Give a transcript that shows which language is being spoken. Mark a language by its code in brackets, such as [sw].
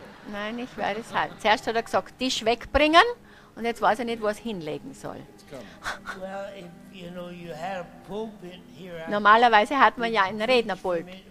[de] Nein, ich werde es halten. Zuerst hat er gesagt, Tisch wegbringen und jetzt weiß er nicht, wo er es hinlegen soll. [en] Well, if, you know, you had a pulpit here, [de] normalerweise hat man ja ein Rednerpult.